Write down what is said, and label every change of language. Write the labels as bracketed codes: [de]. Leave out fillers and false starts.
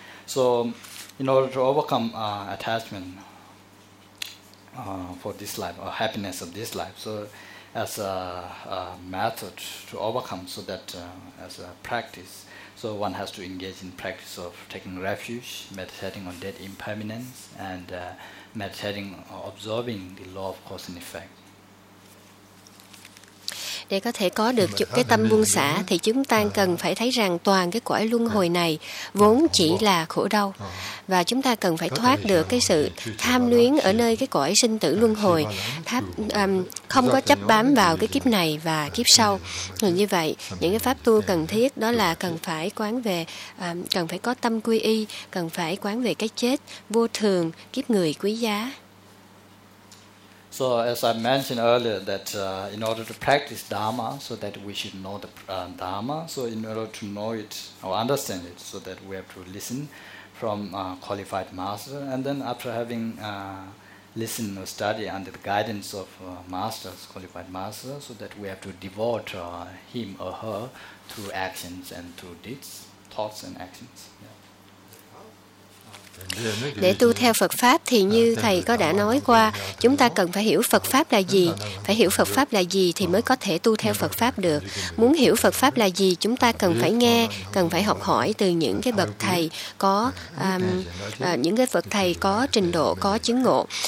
[en] So in order to overcome attachment for this life or happiness of this life, so as a method to overcome, so that as a practice, so one has to engage in practice of taking refuge, meditating on dead impermanence, and meditating or observing the law of cause and effect. [vi] Để có thể có được cái tâm buông xả thì chúng ta cần phải thấy rằng toàn cái cõi luân hồi này vốn chỉ là khổ đau. Và chúng ta cần phải thoát được cái sự tham luyến ở nơi cái cõi sinh tử luân hồi, không có chấp bám vào cái kiếp này và kiếp sau. Thì như vậy, những cái pháp tu cần thiết đó là cần phải quán về, cần phải có tâm quy y, cần phải quán về cái chết vô thường, kiếp người quý giá. [en] So as I mentioned earlier, that in order to practice Dharma, so that we should know the Dharma, so in order to know it or understand it, so that we have to listen from a qualified master, and then after having listened or studied under the guidance of masters, qualified master, so that we have to devote him or her through actions and through deeds, thoughts and actions. [vi] Để tu theo Phật Pháp thì như Thầy có đã nói qua, chúng ta cần phải hiểu Phật Pháp là gì. Phải hiểu Phật Pháp là gì thì mới có thể tu theo Phật Pháp được. Muốn hiểu Phật Pháp là gì, chúng ta cần phải nghe, cần phải học hỏi từ những cái bậc thầy có những cái bậc thầy có trình độ, có chứng ngộ.